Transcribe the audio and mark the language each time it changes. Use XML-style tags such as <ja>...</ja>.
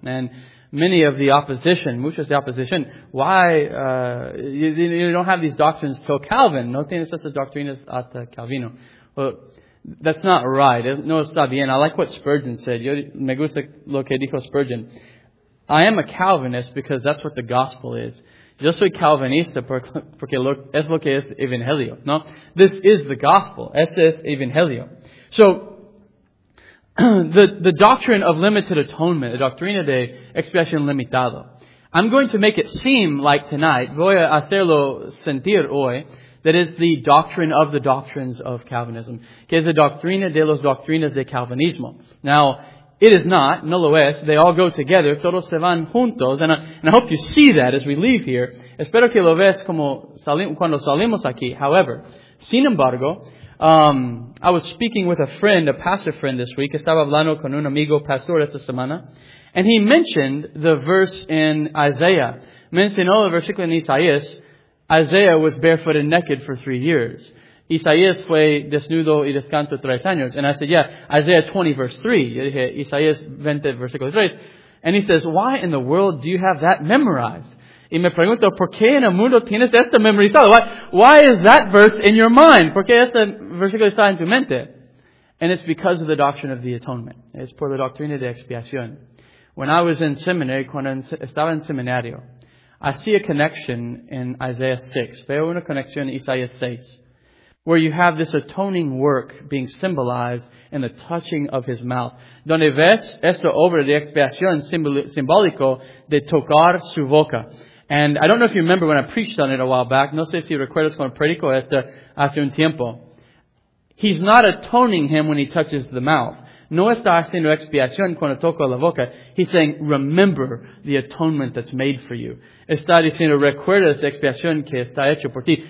<en>And many of the opposition,</en> <es>muchos de opposition,</es> <en>why you don't have these doctrines till Calvin.</en> <es>No tienes estas doctrinas hasta Calvino.</es> <en>Well, that's not right.</en> <es>No está bien.</es> <en>I like what Spurgeon said.</en> <es>Yo me gusta lo que dijo Spurgeon.</es> <en>I am a Calvinist because that's what the gospel is.</en> <es>Yo soy calvinista porque es lo que es evangelio.</es> <en>No? This is the gospel.</en> <es>Ese es evangelio.</es> <en>So, the doctrine of limited atonement, the</en> <es>doctrina de expiación limitada.</es> <en>I'm going to make it seem like tonight,</en> <es>voy a hacerlo sentir hoy,</es> <en>that is the doctrine of the doctrines of Calvinism.</en> <es>Que es la doctrina de las doctrinas de Calvinismo.</es> <en>Now, it is not,</en> <es>no lo es,</es> <en>they all go together,</en> <es>todos se van juntos,</es> <en>and I hope you see that as we leave here.</en> <es>Espero que lo ves como cuando salimos aquí.</es> <en>However,</en> <es>sin embargo,</es> <en>I was speaking with a friend, a pastor friend this week.</en> <es>Estaba hablando con un amigo pastor esta semana.</es> <en>And he mentioned the verse in Isaiah.</en> <es>Mencionó el versículo en Isaías.</es> <en>Isaiah was barefoot and naked for 3 years.</en> <es>Isaías fue desnudo y descanso 3 años.</es> <en>And I said, yeah, Isaiah 20 verse 3.</en> <es>Yo dije, Isaías 20 versículo 3.</es> <en>And he says, why in the world do you have that memorized?</en> <es>Y me pregunto, ¿por qué en el mundo tienes esto memorizado?</es> <en>Why is that verse in your mind?</en> <es>¿Por qué este versículo está en tu mente?</es> <en>And it's because of the doctrine of the atonement.</en> <es>Es por la doctrina de expiación.</es> <en>When I was in seminary,</en> <es>cuando estaba en seminario,</es> <en>I see a connection in Isaiah 6.</en> <es>Veo una conexión en Isaías 6.</es> <en>Where you have this atoning work being symbolized in the touching of his mouth.</en> <es>Donde ves esta obra de expiación simbólico de tocar su boca.</es> <en>And I don't know if you remember when I preached on it a while back.</en> <es>No sé si recuerdas cuando predico esto hace un tiempo.</es> <en>He's not atoning him when he touches the mouth.</en> <es>No está haciendo expiación cuando toca la boca.</es> <en>He's saying, remember the atonement that's made for you.</en> <es>Está diciendo, recuerda la expiación que está hecho por ti.</es>